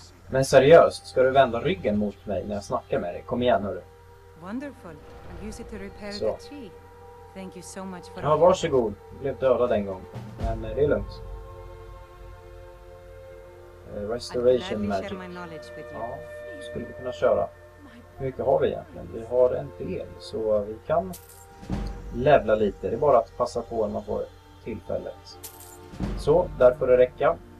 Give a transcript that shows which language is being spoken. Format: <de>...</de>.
<sv>Men seriöst, ska du vända ryggen mot mig när jag snackar med dig? Kom igen hörru.</sv> <en>Wonderful. I'll use it to repair the tree. Thank you so much for.</en> <sv>Ja, varsågod. Jag blev dödad en gång, men det är lugnt. Restoration magic. Ja, skulle vi kunna köra. Hur mycket har vi egentligen? Vi har en del, så vi kan levla lite. Det är bara att passa på när man får tillfället. Så, där får det räcka.</sv>